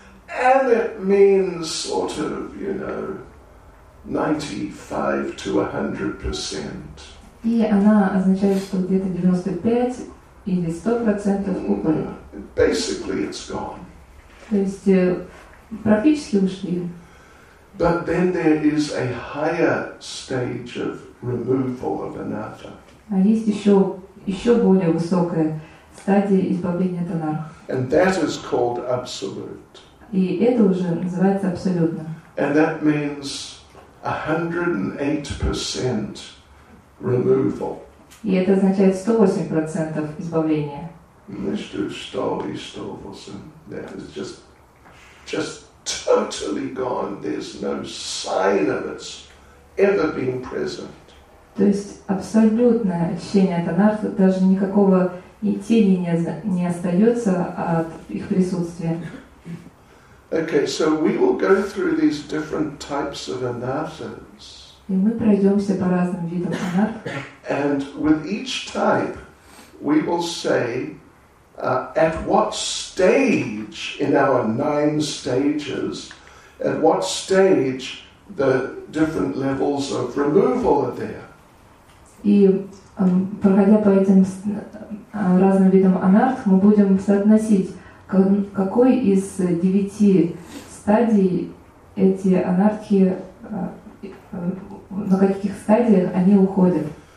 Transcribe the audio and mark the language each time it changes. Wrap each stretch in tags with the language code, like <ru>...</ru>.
<en>And it means sort of, you know, 95% to 100%.</en> <ru>И она означает, что где-то 95% или 100% уходит.</ru> <en>Basically, it's gone.</en> <ru>То есть практически ушли.</ru> <en>But then there is a higher stage of removal of anartha.</en> <ru>А есть еще более высокая стадия избавления от анартх.</ru> <en>And that is called absolute.</en> <ru>И это уже называется абсолютно.</ru> <en>And that means 108% removal.</en> <ru>И это означает 108% избавления. Между 100 и 108.</ru> <en>That is just totally gone. There's no sign of its ever being present.</en> <ru>То есть абсолютное ощущение от анартхи, даже никакого и тени не остается от их присутствия.</ru> <en>Okay, so we will go through these different types of anarthas.</en> <ru>И мы пройдемся по разным видам анартхи.</ru> <en>And with each type, we will say, at what stage in our nine stages, at what stage the different levels of removal are there.</en> <ru>И проходя по этим разным видам анартхи, мы будем соотносить, какой из девяти стадий эти анартхи, на каких стадиях они уходят.</ru>